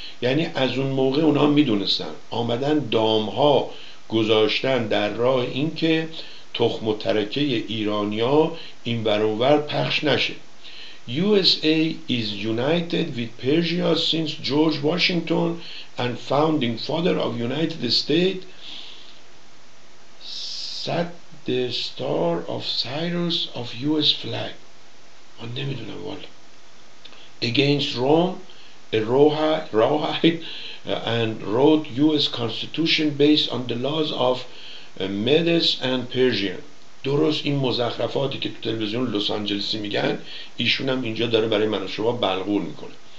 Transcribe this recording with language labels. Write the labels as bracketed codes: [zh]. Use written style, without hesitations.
[fa] یعنی از اون موقع اونا میدونستن، آمدن دام ها گذاشتن در راه این که تخم و ترکه ایرانی ها این برانور پخش نشه. [en] USA is united with Persia since George Washington and founding father of United States set the star of Cyrus of US flag. [fa] من نمیدونم والا. [en] Against Rome Rawhide and wrote US Constitution based on the laws of Medes and Persian. [fa] درست این مزخرفاتی که تو تلویزیون لس آنجلسی میگن ایشون هم اینجا داره برای من و شما بلغور میکنه.